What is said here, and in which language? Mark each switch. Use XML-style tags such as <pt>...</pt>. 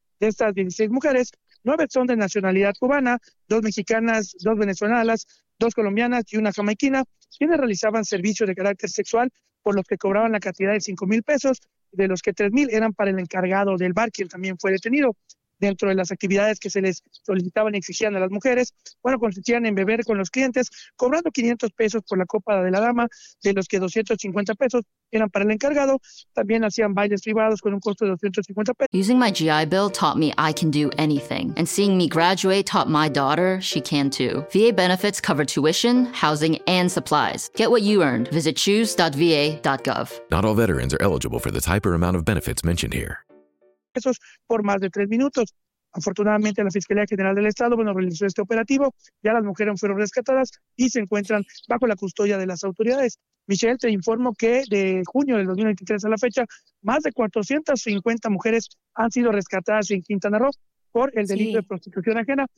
<es>De estas 16 mujeres, 9 son de nacionalidad cubana, 2 mexicanas, 2 venezolanas, 2 colombianas y una jamaiquina, quienes realizaban servicios de carácter sexual por los que cobraban la cantidad de 5,000 pesos, de los que 3,000 eran para el encargado del bar, quien también fue detenido. Dentro de las actividades que se les solicitaban y exigían a las mujeres, bueno, consistían en beber con los clientes, cobrando 500 pesos por la copa de la dama, de los que 250 pesos eran para el encargado. También hacían bailes privados con un costo de 250 pesos.</es> <en>Using my GI Bill taught me I can do anything. And seeing me graduate taught my daughter she can too. VA benefits cover tuition, housing, and supplies. Get what you earned. Visit choose.va.gov. Not all veterans are eligible for the type or amount of benefits mentioned here.</en> <es>Pesos por más de 3 minutos. Afortunadamente, la Fiscalía General del Estado, bueno, realizó este operativo. Ya las mujeres fueron rescatadas y se encuentran bajo la custodia de las autoridades. Michelle, te informo que de junio del 2023 a la fecha, más de 450 mujeres han sido rescatadas en Quintana Roo por el delito de prostitución ajena.</es>